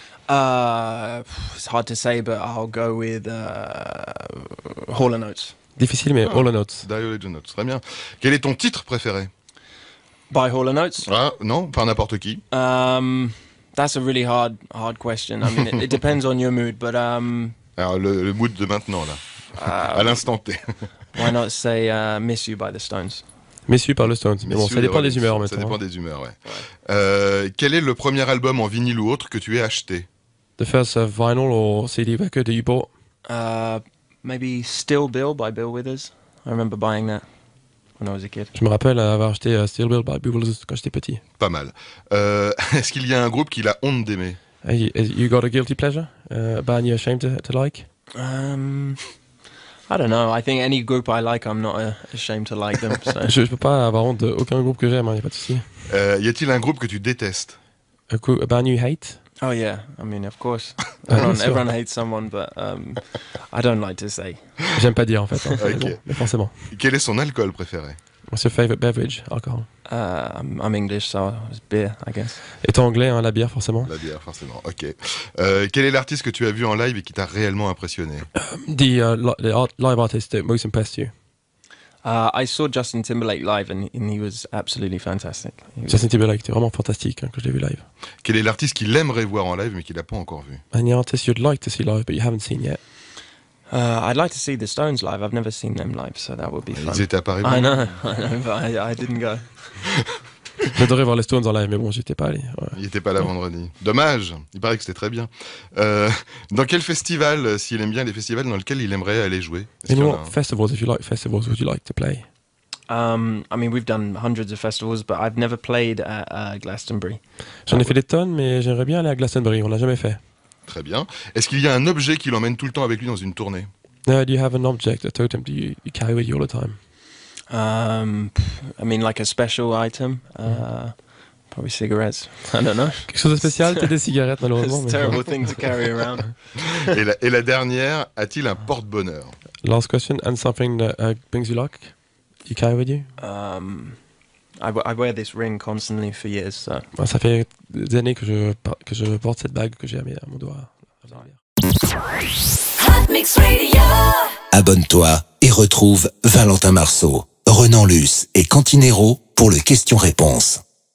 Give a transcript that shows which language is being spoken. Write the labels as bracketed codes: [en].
[en] It's hard to say, but I'll go with Hall & Oates. [fr] Difficile, mais Ah, Hall & Oates. Dire Legend Oates, très bien. Quel est ton titre préféré? [en] By Hall & Oates. [fr] Ah, non, enfin n'importe qui. [en] That's a really hard question. I mean, it depends on your mood, but [fr] Alors, le mood de maintenant, là, à l'instant T. [en] Why not say Miss You by the Stones? [fr] Miss You par les Stones. Mais bon, ça dépend des humeurs en même temps. Ça dépend des humeurs, ouais. Quel est le premier album en vinyle ou autre que tu aies acheté? [en] The first vinyl or CD record that you bought? Maybe Still Bill by Bill Withers. I remember buying that when I was a kid. [fr] Je me rappelle avoir acheté Still Bill by Bill Withers quand j'étais petit. Pas mal. Est-ce qu'il y a un groupe qui a honte d'aimer? [en] You got a guilty pleasure? A band you're ashamed to like? I don't know. I think any group I like, I'm not ashamed to like them. So. [fr] Je peux pas avoir honte d'aucun groupe que j'aime, hein, y a pas de souci. Y a-t-il un groupe que tu détestes? [en] A band you hate? Oh yeah, I mean of course. Everyone hates someone, but I don't like to say. [fr] J'aime pas dire en fait. Hein. Okay. Bon, forcément. Quel est son alcool préféré? [en] What's your favorite beverage? Alcohol. I'm English, so it's beer, I guess. [fr] Étant anglais, hein, la bière forcément. La bière forcément. Ok. Quel est l'artiste que tu as vu en live et qui t'a réellement impressionné? [en] The live artist that most impressed you. I saw Justin Timberlake live and he was absolutely fantastic. [fr] Justin Timberlake était vraiment fantastique hein, quand je l'ai vu live. Quel est l'artiste qu'il aimerait voir en live mais qu'il n'a pas encore vu? [en] Any artist you'd like to see live but you haven't seen yet? I'd like to see the Stones live. I've never seen them live, so that would be fun. [fr] Ils étaient à Paris. [en] I know, but I didn't go. [fr] J'adorais voir les Stones en live, mais bon, j'étais pas allé. Ouais. Il était pas là vendredi. Dommage. Il paraît que c'était très bien. Dans quel festival, s'il aime bien les festivals, dans lequel il aimerait aller jouer? [en] Any more festivals, if you like festivals, would you like to play? I mean, we've done hundreds of festivals, but I've never played at Glastonbury. [fr] J'en ai fait des tonnes, mais j'aimerais bien aller à Glastonbury. On l'a jamais fait. Très bien. Est-ce qu'il y a un objet qui l'emmène tout le temps avec lui dans une tournée? [en] Do you have an object, a totem, do you carry with you all the time? I mean, like a special item, probably cigarettes. I don't know. [fr] Quelque chose de spécial, t'as des cigarettes malheureusement. [en] It's a terrible thing to carry around. [fr] Et la dernière, a-t-il un porte-bonheur? [en] Last question, and something that brings you luck, you carry with you? I wear this ring constantly for years. So. [fr] Ça fait des années que je porte cette bague que j'ai à mon doigt. Hotmix Radio. Abonne-toi et retrouve Valentin Marceau, Renan Luce et Cantinero pour le question-réponse.